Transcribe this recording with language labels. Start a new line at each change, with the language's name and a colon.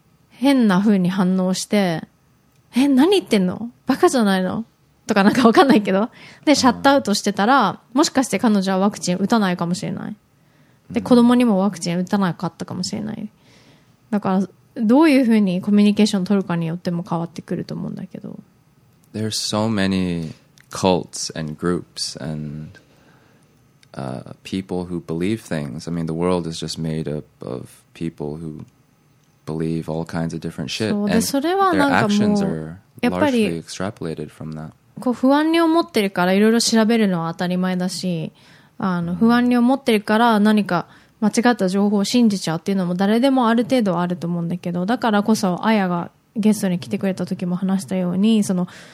Japanese: 変な風に反応して、え、何言ってんの、バカじゃないのとか、なんか分かんないけど、でシャットアウトしてたら、もしかして彼女はワクチン打たないかもしれない、で子供にもワクチン打たなかったかもしれない。だからどういうふうにコミュニケーションを取るかによっても変わってくると思うんだけど。
English: There are so many cults and groups and people who believe things. I mean, the world is just made up of people who believe all kinds of different shit.
Japanese: そう、で、それはなんかもう、やっぱり、
English: extrapolated from that.
Japanese: こう不安に思ってるからいろいろ調べるのは当たり前だし、あの不安に思ってるから何か間違った情報を信じちゃうっていうのも誰でもある程度あると思うんだけど、だからこそアヤがゲストに来てくれた時も話したように、その